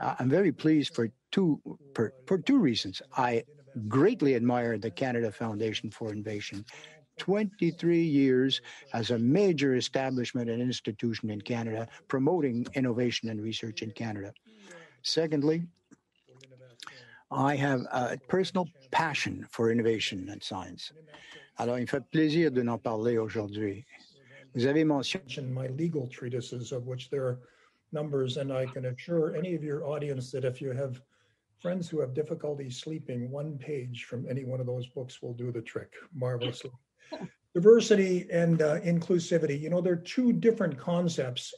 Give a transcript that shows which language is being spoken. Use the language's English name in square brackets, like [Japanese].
[English] I'm very pleased for two reasons. I greatly admire the Canada Foundation for Innovation. 23 years as a major establishment and institution in Canada, promoting innovation and research in Canada. Secondly, I have a personal passion for innovation and science. [French] Alors, il me fait plaisir de n'en parler aujourd'hui. Vous avez mentionné [English] my legal treatises, of which there are numbers, and I can assure any of your audience that if you have friends who have difficulty sleeping, one page from any one of those books will do the trick marvelously. Diversity and inclusivity, you know, they're two different concepts.